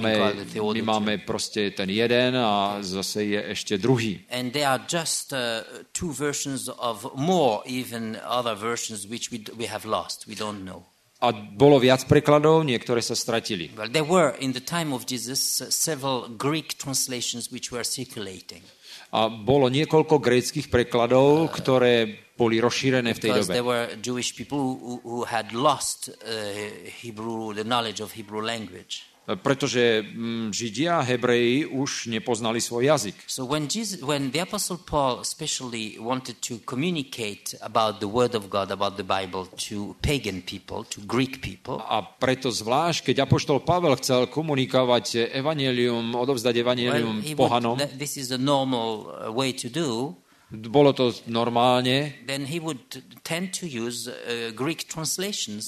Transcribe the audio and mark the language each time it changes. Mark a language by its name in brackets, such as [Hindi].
[Slovak] My máme proste ten jeden a zase je ešte druhý. [English] And there are just two versions of more, even other versions which we have lost. We don't know. [Slovak] A bolo viac prekladov, niektoré sa stratili. [English] Well, there were in the time of Jesus several Greek translations which were circulating. [Slovak] A bolo niekoľko gréckych prekladov, ktoré boli rozšírené v tej dobe. [English] There were Jewish people who had lost Hebrew, the knowledge of Hebrew language. [Slovak] Pretože Židia, Hebreji už nepoznali svoj jazyk. [English] So when the apostle Paul especially wanted to communicate about the word of God, about the Bible to pagan people, to Greek people. [Slovak] A preto zvlášť, keď apoštol Pavel chcel komunikovať evanjelium, odovzdať evanjelium pohanom. [English] This is a normal way to do. [Slovak] Bolo to normálne. [English] Then he would tend to use Greek translations.